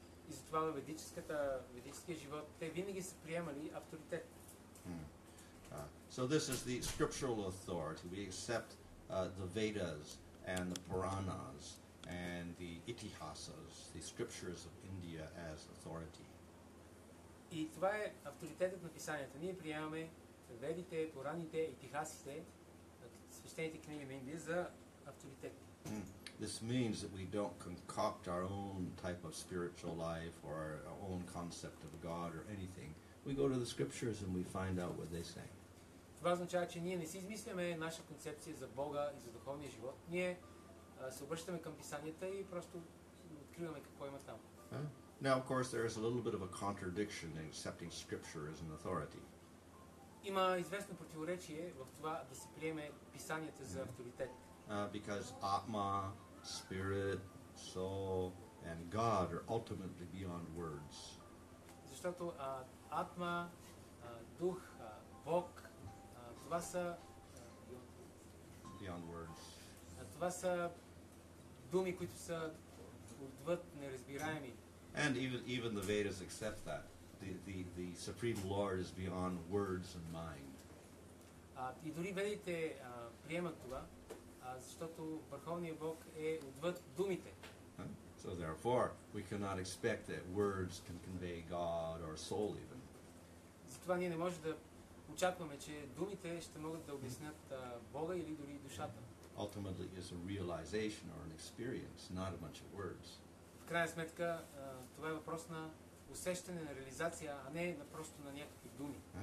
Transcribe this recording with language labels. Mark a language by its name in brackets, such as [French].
[Bulgarian] И затова във ведическия живот те винаги са приемали авторитет. [English] So this is the scriptural authority. We accept the Vedas and the Puranas and the Itihasas, the scriptures of India as authority. [Bulgarian] И това е авторитетът на писанията. Ние приемаме ведите, пораните, итихасите, свещените книги на Индия за авторитет. [English] This means that we don't concoct our own type of spiritual life or our own concept of God or anything. We go to the scriptures and we find out what they say. [Bulgarian] Това означава, че ние не си измисляме наша концепция за Бога и за духовния живот. Ние се обръщаме към писанията и просто откриваме какво има там. [English] Now, of course, there is a little bit of a contradiction in accepting scripture as an authority. [Bulgarian] Има известно противоречие в това да се приеме писанията за авторитет. [English] Because Atma, Spirit, Soul, and God are ultimately beyond words. [Bulgarian] Защото Атма, Дух, Бог, това са... [English] Beyond words. [Bulgarian] Това са думи, които са отвъд неразбираеми. [English] And even the Vedas accept that. The Supreme Lord is beyond words and mind. [Bulgarian] И дори ведите приемат това, защото Върховният Бог е отвъд думите. [English] So therefore, we cannot expect that words can convey God or soul even. [Bulgarian] Затова ние не можем да очакваме, че думите ще могат да обяснят Бога или дори душата. [English] Ultimately, it's a realization or an experience, not a bunch of words. [Bulgarian] В крайна сметка, това е въпрос на усещане, на реализация, а не на просто на някакви думи.